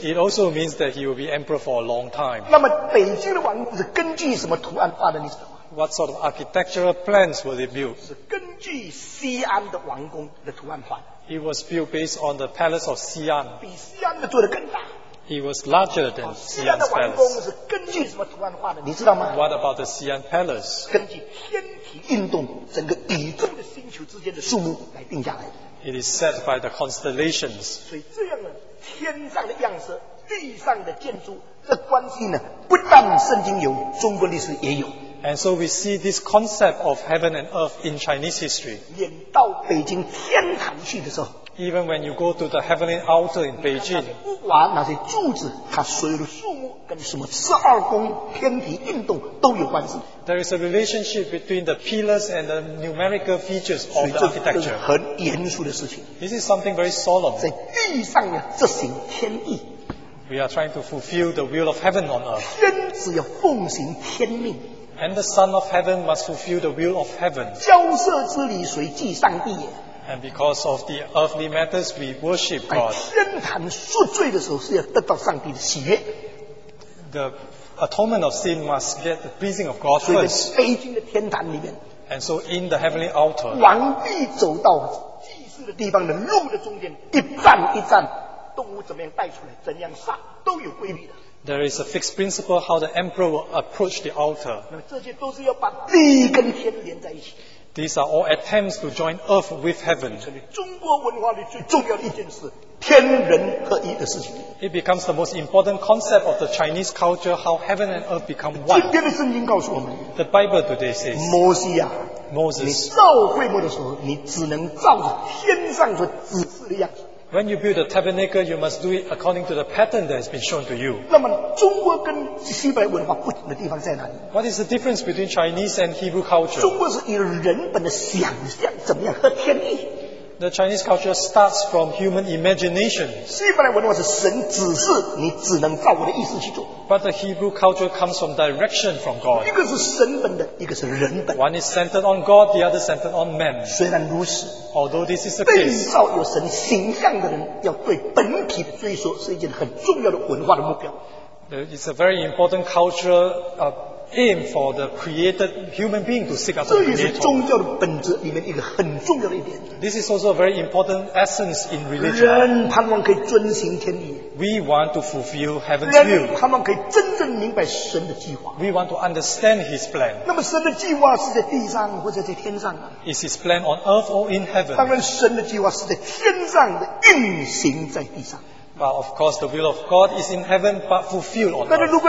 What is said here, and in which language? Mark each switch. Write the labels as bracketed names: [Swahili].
[English] It also means that he will be emperor for a long time. [Chinese] 那么北京的王宫是根据什么图案画的？你知道吗 [English] ？What sort of architectural plans were they built? [Chinese] 是根据西安的王宫的图案画。 [English] It was built based on the palace of Xi'an. [Chinese] 比西安的做的更大。 [English] It was larger than Xi'an's palace. [Chinese] 西安的王宫是根据什么图案画的？你知道吗 [English] ？What about the Xi'an palace? [Chinese] 根据天体运动，整个宇宙的星球之间的数目来定下来。 [English] It is set by the constellations. [Chinese] 所以这样呢，天上的样式，地上的建筑，这关系呢，不但圣经有，中国历史也有。 [English] And so we see this concept of heaven and earth in Chinese history. [Chinese] 演到北京天坛去的时候。 [English] Even when you go to the heavenly altar in Beijing, [Chinese] 那些屋瓦、那些柱子、它所有的树木跟什么十二宫天体运动都有关系。 [English] There is a relationship between the pillars and the numerical features of the architecture. [Chinese] 所以这是很严肃的事情。 [English] This is something very solemn. [Chinese] 在地上要执行天意。 [English] We are trying to fulfill the will of heaven on earth. [Chinese] 天子要奉行天命。 [English] And the Son of Heaven must fulfill the will of heaven. [Chinese] 交涉之理，谁祭上帝也？ [English] And because of the earthly matters, we worship God. [Chinese] 天坛赎罪的时候是要得到上帝的喜悦。 [English] The atonement of sin must get the pleasing of God first. [Chinese] 所以在北京的天坛里面。 [English] And so in the heavenly altar. [Chinese] 王帝走到祭祀的地方的路的中间，一站一站，动物怎么样带出来，怎样杀，都有规律的。 [English] There is a fixed principle how the emperor will approach the altar. [Chinese] 那这些都是要把地跟天连在一起。 [English] These are all attempts to join earth with heaven. [Chinese] 成为中国文化里最重要的一件事，天人合一的事情。 [English] It becomes the most important concept of the Chinese culture, how heaven and earth become one. [Chinese] 今天的圣经告诉我们 [English] ，The Bible today says, [Chinese] 摩西啊 [English] ，Moses, [Chinese] 你造会幕的时候，你只能照着天上所指示的样子。 [English] When you build a tabernacle, you must do it according to the pattern that has been shown to you. [Chinese] 那么中国跟西方文化不同的地方在哪里 [English] ？What is the difference between Chinese and Hebrew culture? [Chinese] 中国是以人本的想象怎么样和天意。 [English] The Chinese culture starts from human imagination. [Chinese] 西方文化是神指示，你只能照我的意思去做。 [English] But the Hebrew culture comes from direction from God. [Chinese] 一个是神本的，一个是人本。 [English] One is centered on God, the other centered on man. [Chinese] 虽然如此 [English] ，although this is the case， [Chinese] 被造有神形象的人，要对本体的追溯是一件很重要的文化的目标。 [English] It's a very important cultural aim for the created human being to seek after the creator. [Chinese] 这也是宗教的本质里面一个很重要的一点。 [English] This is also a very important essence in religion. [Chinese] 人盼望可以遵行天意。 [English] We want to fulfill heaven's will. [Chinese] 人盼望可以真正明白神的计划。 [English] We want to understand His plan. [Chinese] 那么神的计划是在地上或者在天上啊 [English] ？Is His plan on earth or in heaven? [Chinese] 当然，神的计划是在天上的运行在地上。 [English] But of course, the will of God is in heaven, but fulfilled on earth.